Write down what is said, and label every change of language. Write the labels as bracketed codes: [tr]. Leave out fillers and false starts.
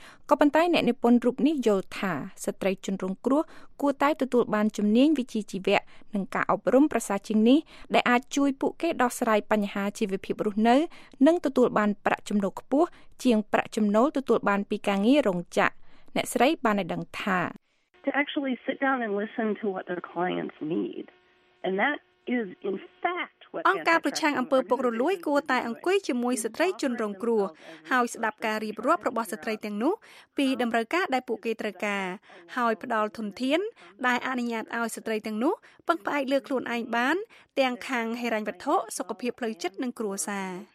[km] ក៏ប៉ុន្តែអ្នកនិពន្ធរូបនេះយល់ថាស្ត្រីជនរងគ្រោះគួរតែទទួលបានជំនាញវិជ្ជាជីវៈនិងការអប់រំប្រសើរជាងនេះដែលអាចជួយពួកគេដោះស្រាយបញ្ហាជីវភាពរស់នៅនិងទទួលបានប្រាក់ចំណូលខ្ពស់ជាងប្រាក់ចំណូលទទួលបានពីការងាររោងចក្រអ្នកស្រីបានឲ្យដឹងថា [en] to actually sit down and listen to what their clients need and that is in fact what [km] អង្គការប្រឆាំងអំពើពុករលួយគួរតែអង្គុយជាមួយស្ត្រីជនរងគ្រោះហើយស្ដាប់ការរៀបរាប់របស់ស្ត្រីទាំងនោះពីតម្រូវការដែលពួកគេត្រូវការហើយផ្ដល់ធនធានដែលអនុញ្ញាតឲ្យស្ត្រីទាំងនោះពឹងផ្អែកលើខ្លួនឯងបានទាំងខាងហិរញ្ញវត្ថុសុខភាពផ្លូវចិត្តនិងគ្រួសារ